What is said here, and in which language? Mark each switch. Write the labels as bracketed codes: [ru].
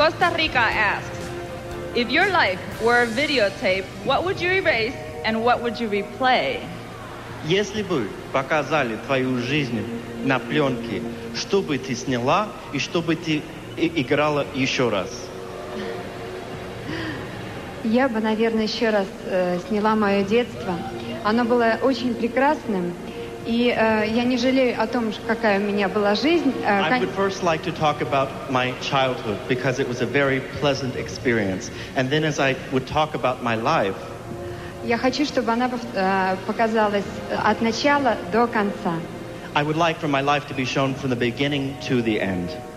[en] If your life were a videotape, what would you erase and what would you replay? [ru] Если бы показали твою жизнь на пленке, что бы ты сняла и что бы ты играла еще раз? Я бы, наверное, еще раз сняла мое детство. Оно было очень прекрасным. И я не жалею о том, какая у меня была жизнь. [en] I would first like to talk about my childhood, because it was a very pleasant experience. And then as I would talk about my life... [ru] Я хочу, чтобы она показалась от начала до конца. [en] I would like for my life to be shown from the beginning to the end.